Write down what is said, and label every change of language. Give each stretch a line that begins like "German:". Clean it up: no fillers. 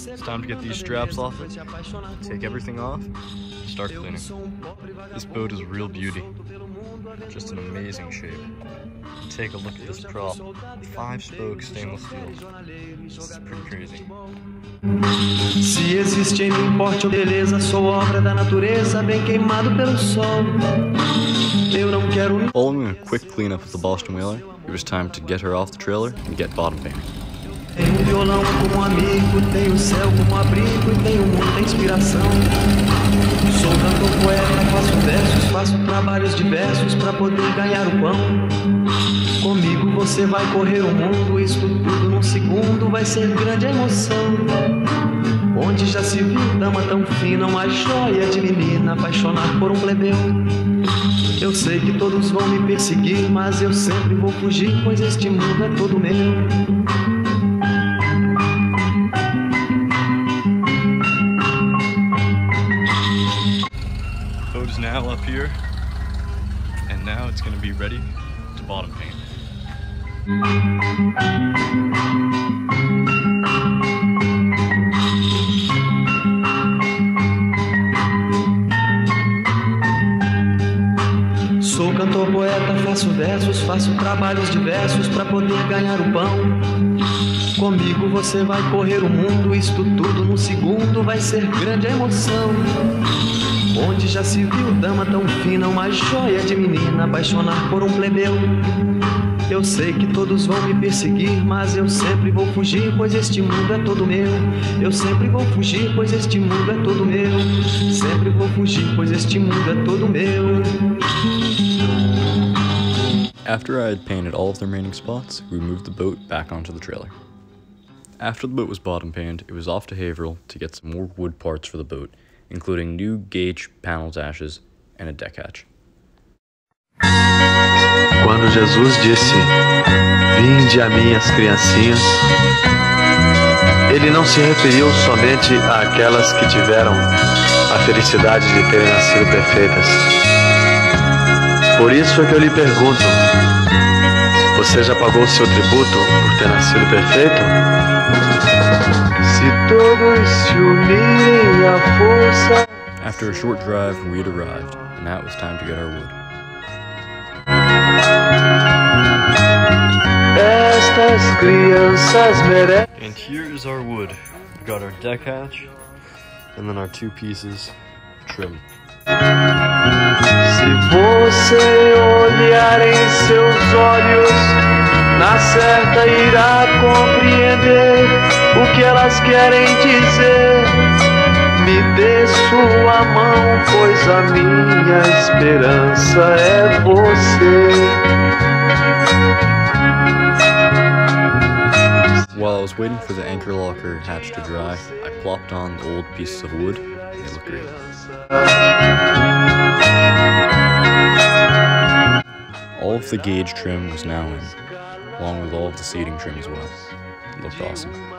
English: It's time to get these straps off it, take everything off, and start cleaning. This boat is a real beauty, just an amazing shape. Take a look at this prop, 5-spoke stainless steel. This is pretty crazy.
Portuguese: Se existe em mim porte ou beleza, sou obra da natureza, bem queimado pelo sol. Eu não quero.
English: Following a quick cleanup of the Boston Whaler, it was time to get her off the trailer and get bottom painted.
Portuguese: Tenho violão como amigo, tenho céu como abrigo e tenho muita inspiração. Sou cantor poeta, faço versos, faço trabalhos diversos pra poder ganhar o pão. Comigo você vai correr o mundo, isso tudo num segundo vai ser grande emoção. Onde já se viu dama tão fina, uma joia de menina apaixonar por um plebeu? Eu sei que todos vão me perseguir, mas eu sempre vou fugir, pois este mundo é todo meu.
English: Now up here, and now it's going to be ready to bottom paint.
Portuguese: Sou cantor poeta, faço versos, faço trabalhos diversos para poder ganhar o pão. Comigo você vai correr o mundo, isto tudo no segundo vai ser grande emoção. Onde já se viu dama tão fina, uma joia de menina apaixonar por um plebeu? Eu sei que todos vão me perseguir, mas eu sempre vou fugir, pois este mundo é todo meu. Eu sempre vou fugir, pois este mundo é todo meu. Sempre vou fugir, pois este mundo é todo meu.
English: After I had painted all of the remaining spots, we moved the boat back onto the trailer. After the boat was bottom painted, it was off to Haverhill to get some more wood parts for the boat, including new gauge panel dashes and a deck hatch.
Portuguese: Quando Jesus disse, "Vinde a mim as criancinhas", ele não se referiu somente àquelas que tiveram a felicidade de terem nascido perfeitas. Por isso é que eu lhe pergunto, você já pagou o seu tributo por ter nascido perfeito?
English: After a short drive, we had arrived, and now it was time to get our wood. And here is our wood. We got our deck hatch, and then our 2 pieces trim.
Portuguese: Se você olhar em seus olhos, na certa irá compreender o que elas querem dizer. Me dê sua mão, pois a minha esperança é você.
English: While I was waiting for the anchor locker hatch to dry, I plopped on the old pieces of wood and they look great. All of the gauge trim was now in, along with all of the seating trim as well. It looked awesome.